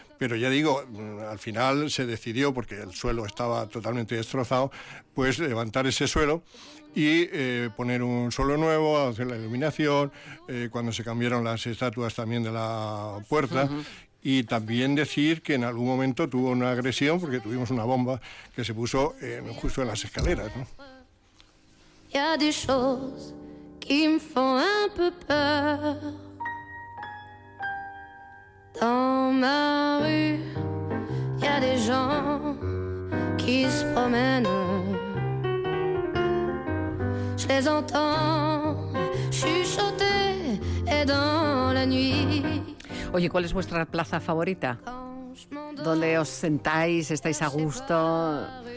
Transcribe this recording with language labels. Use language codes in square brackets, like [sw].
[es] Pero ya digo, al final se decidió, porque el suelo estaba totalmente destrozado, pues levantar ese suelo y poner un suelo nuevo, hacer la iluminación, cuando se cambiaron las estatuas también de la puerta. Y también decir que en algún momento tuvo una agresión, porque tuvimos una bomba que se puso justo en las escaleras, ¿no? [fr] Y a des choses qui me font un peu peur. Dans ma rue, y a des gens qui se promènent. Je les entends chuchoter et dans la nuit. [es] Oye, ¿cuál es vuestra plaza favorita? ¿Dónde os sentáis? ¿Estáis a gusto?